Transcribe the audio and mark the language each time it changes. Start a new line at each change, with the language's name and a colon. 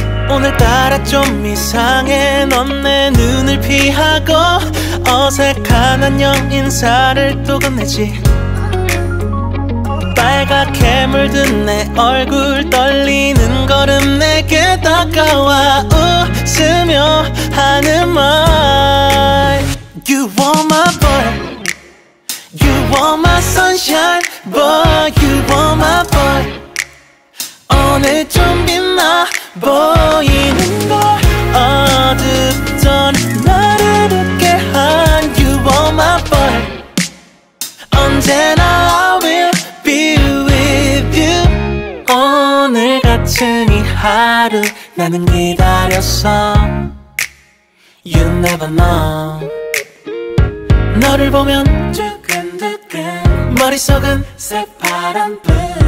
Korean: 오늘따라 좀 이상해. 넌 내 눈을 피하고 어색한 안녕 인사를 또 건네지. 빨갛게 물든 내 얼굴 떨리는 걸음 내게 다가와 웃으며 하는 말.
English: You are my boy, you are my sunshine boy, you are my boy.
Korean: 오늘 좀 빛나 보이는 걸 어둡던 나를 웃게 한
English: You are my boy.
Korean: 언제나
English: I will be with you.
Korean: 오늘 같은 이 하루 나는 기다렸어.
English: You never know.
Korean: 너를 보면 두근두근 머릿속은 새파란 불.